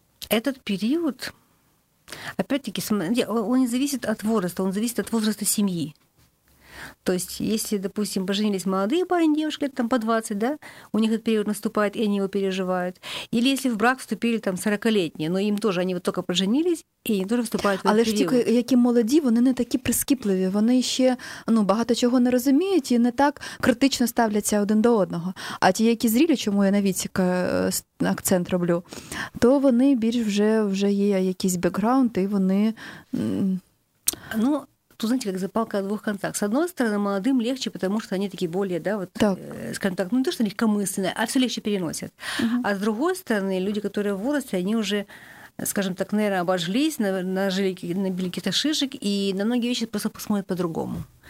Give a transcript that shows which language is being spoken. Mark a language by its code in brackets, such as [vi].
[ru] Этот период, опять-таки, он не зависит от возраста, он зависит от возраста семьи. То есть, если, допустим, поженились молодые парень, девушка, лет там по 20, да, у них этот период наступает, и они его переживают. Или если в брак вступили там 40-летние, но им тоже, они вот только поженились, [uk] і вони теж вступають в Але ж тільки, які молоді, вони не такі прискіпливі. Вони ще ну, багато чого не розуміють і не так критично ставляться один до одного. А ті, які зрілі, чому я на віці акцент роблю, то вони більш вже є якийсь бекграунд, і вони... [ru] Ну, тут, знаете, как запалка о двух концах. С одной стороны, молодым легче, потому что они такие более, да, вот, так. Скажем так, ну не то, что легкомысленные, а все легче переносят. Угу. А с другой стороны, люди, которые в возрасте, они уже скажем так, наверное, обожглись, набили какие-то шишек, и на многие вещи просто посмотрят по-другому.